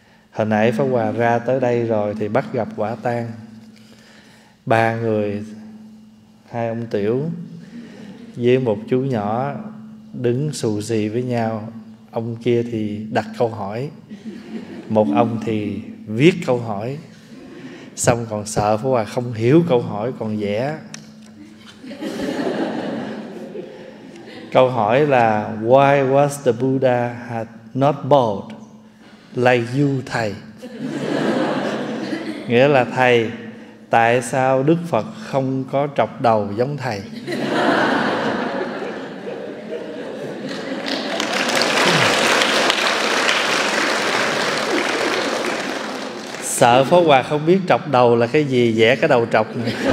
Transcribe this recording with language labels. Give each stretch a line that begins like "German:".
Vietnamese: Hồi nãy Pháp Hòa ra tới đây rồi thì bắt gặp quả tang ba người, hai ông tiểu với một chú nhỏ đứng xù xì với nhau. Ông kia thì đặt câu hỏi, một ông thì viết câu hỏi, xong còn sợ Phú Hòa không hiểu câu hỏi còn vẽ.
English: Câu hỏi là: Why was the Buddha had not bald like you,
Vietnamese: thầy? Nghĩa là thầy, tại sao Đức Phật không có trọc đầu giống thầy? Sợ Phó Hòa không biết trọc đầu là cái gì, vẽ cái đầu trọc này.